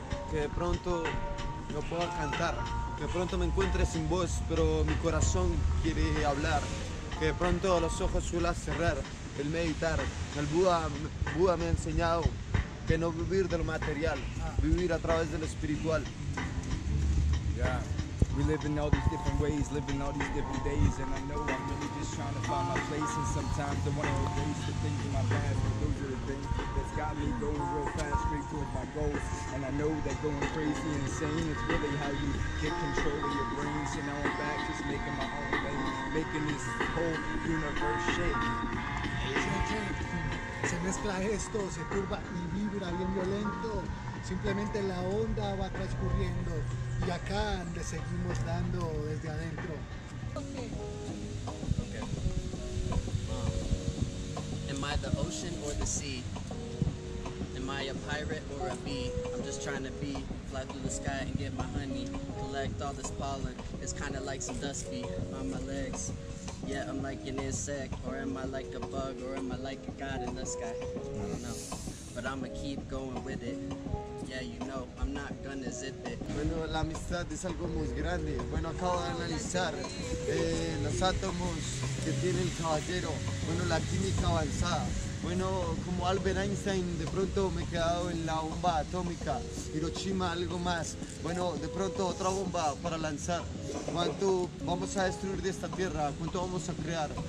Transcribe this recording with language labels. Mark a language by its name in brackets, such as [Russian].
[Spanish] Que de pronto no pueda cantar, que de pronto me encuentre sin voz, pero mi corazón quiere hablar, que de pronto los ojos suela cerrar, el meditar, el Buda me ha enseñado que no vivir de lo material, vivir a través del espiritual. [English] Yeah, we live in all these different ways, living all these different days, and I know I'm really just trying to find my place, and sometimes I want to erase the things in my past, but those are the things that's got me going real fast, straight toward my goals, and I know that going crazy and insane is really how you get control of your brain, so now I'm back just making my own way, making this whole universe shake. [Spanish] Se mezcla esto, se curva y vibra bien violento. Simplemente la onda va transcurriendo y acá le seguimos dando desde adentro. [English] Am I the ocean or the sea? Am I a pirate or a bee? I'm just trying to be, fly through the sky and get my honey. Collect all this pollen, it's kind of like some dust bee on my legs. Yeah, I'm like an insect, or am I like a bug, or am I like a god in the sky? I don't know, but I'ma keep going with it. Yeah, you know, I'm not gonna zip it. [Spanish] Bueno, la amistad es algo muy grande. Bueno, acabo de analizar los átomos que tiene el caballero. Bueno, la química avanzada. Bueno, como Albert Einstein, de pronto me he quedado en la bomba atómica, Hiroshima, algo más. Bueno, de pronto otra bomba para lanzar. ¿Cuánto vamos a destruir de esta tierra? ¿Cuánto vamos a crear?